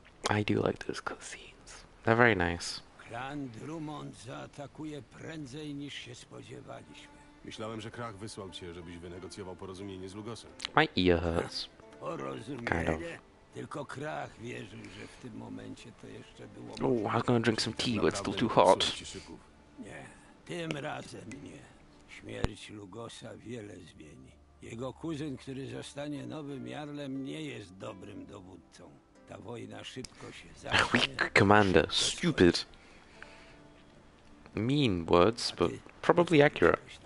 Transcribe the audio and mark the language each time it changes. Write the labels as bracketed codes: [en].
[en] I do like those cutscenes. They're very nice. [pl] Klan Drummond zaatakuje prędzej niż się spodziewaliśmy. Myślałem, że Krach wysłał cię, żebyś wynegocjował porozumienie z Lugosem. [en] My ear hurts. Kind of. [pl] Tylko Krach wierzył, że w tym momencie to jeszcze było... [en] Oh, I'm gonna drink some tea, but it's still too hot. [pl] Nie, tym razem nie. Śmierć Lugosa wiele zmieni. Jego kuzyn, który zostanie nowym jarlem, nie jest dobrym dowódcą. Ta wojna szybko się zacznie... [en] Weak commander. Stupid. Mean words, but probably accurate.